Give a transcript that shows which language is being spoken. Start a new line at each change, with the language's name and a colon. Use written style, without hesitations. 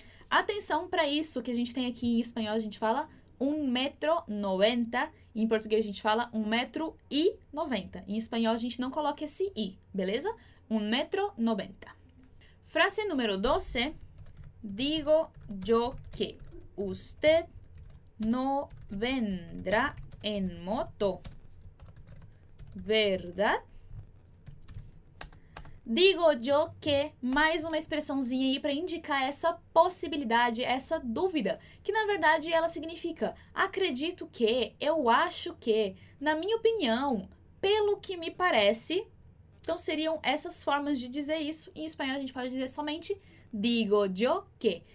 Portuguese: Atenção para isso que a gente tem aqui em espanhol, a gente fala 1,90 m. Em português a gente fala 1,90 m. Em espanhol a gente não coloca esse i, beleza? 1,90 m. Frase número 12.
Spanish: Digo yo que usted no vendrá en moto, ¿verdad? Digo yo que,
Portuguese: mais uma expressãozinha aí para indicar essa possibilidade, essa dúvida, que na verdade ela significa acredito que, eu acho que, na minha opinião, pelo que me parece. Então seriam essas formas de dizer isso. Em espanhol a gente pode dizer somente
Spanish: digo yo que.